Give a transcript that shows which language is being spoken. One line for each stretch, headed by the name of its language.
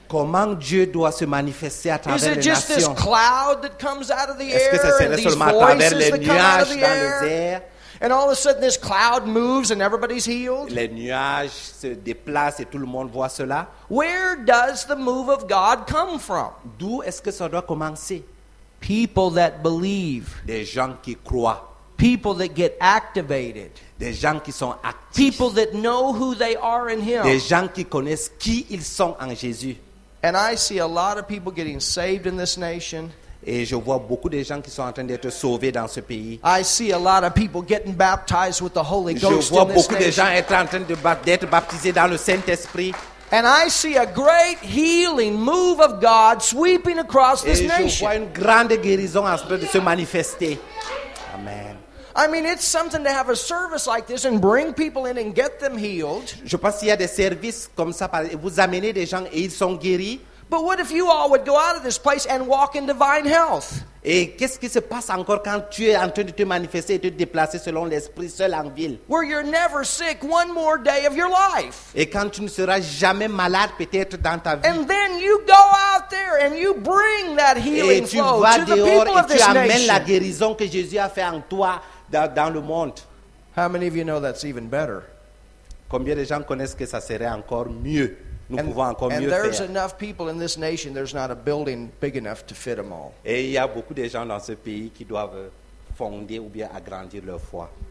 French: Comment Dieu doit se manifester à travers les nations?
English: Is it just this cloud that comes out of the air?
French: Est-ce que ça serait seulement à travers les nuages dans les airs?
English: And all of a sudden this cloud moves and everybody's healed?
French: Les nuages se déplacent et tout le monde voit cela?
English: Where does the move of God come from?
French: D'où est-ce que ça doit commencer?
English: People that believe.
French: Des gens qui croient.
English: People that get activated.
French: Des gens qui sont actifs.
English: People that know who they are in him.
French: Des gens qui connaissent qui ils sont en Jésus.
English: And I see a lot of people getting saved in this nation.
French: Et je vois beaucoup de gens qui sont en train d'être sauvés dans ce pays.
English: I see a lot of people getting baptized with the Holy Ghost in this
French: nation. Je vois beaucoup de gens être en train d'être baptisés dans le Saint-Esprit.
English: And I see a great healing move of God sweeping across this nation.
French: Et je vois une grande guérison en train de se manifester.
English: Amen. I mean, it's something to have a service like this and bring people in and get them healed.
French: Je pense qu'il y a des services comme ça, vous amenez des gens et ils sont guéris.
English: But what if you all would go out of this place and walk in divine health?
French: Et qu'est-ce qui se passe encore quand tu es en train de te manifester et de te déplacer selon l'esprit seul en ville?
English: Where you're never sick one more day of your life.
French: Et quand tu ne seras jamais malade peut-être dans ta vie.
English: And then you go out there and you bring that healing flow to the people of this nation.
French: Et tu vas dehors et tu amènes la guérison que Jésus a fait en toi dans le monde.
English: How many of you know that's even better?
French: Combien de gens connaissent que ça serait encore mieux? Nous pouvons encore mieux faire.
English: And there's enough people in this nation, there's not a building big enough to fit them all.
French: Et il y a beaucoup de gens dans ce pays qui doivent fonder ou bien agrandir leur foi.